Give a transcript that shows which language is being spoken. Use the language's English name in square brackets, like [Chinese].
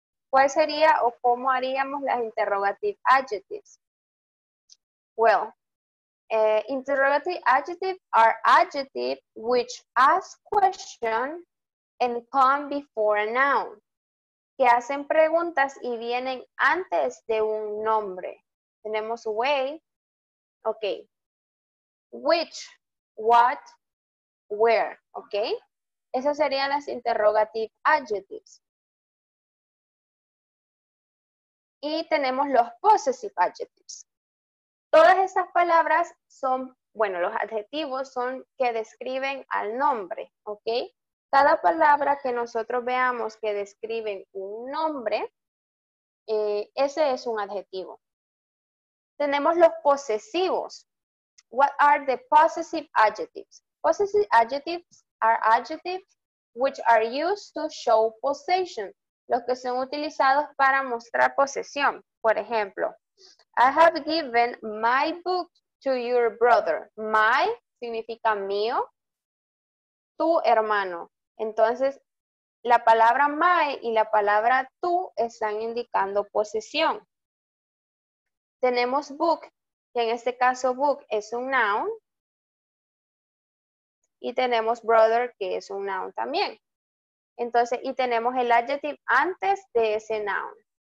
[Spanish] ¿Cuál sería o cómo haríamos las interrogative adjectives? [English] Well, interrogative adjectives are adjectives which ask questions and come before a noun. [Spanish] Que hacen preguntas y vienen antes de un nombre. Tenemos way. Ok. Which, what, where. Ok. Esas serían las interrogative adjectives. Y tenemos los possessive adjectives. Todas esas palabras son, bueno, los adjetivos son que describen al nombre, ¿ok? Cada palabra que nosotros veamos que describe un nombre, ese es un adjetivo. Tenemos los posesivos. [English] What are the possessive adjectives? Possessive adjectives are adjectives which are used to show possession. [Spanish] Los que son utilizados para mostrar posesión. Por ejemplo, [English] I have given my book to your brother. [Spanish] My significa mío, tu hermano. Entonces, la palabra my y la palabra tú están indicando posesión. Tenemos book, que en este caso book es un noun. Y tenemos brother, que es un noun también. Entonces, y tenemos el adjective antes de ese noun.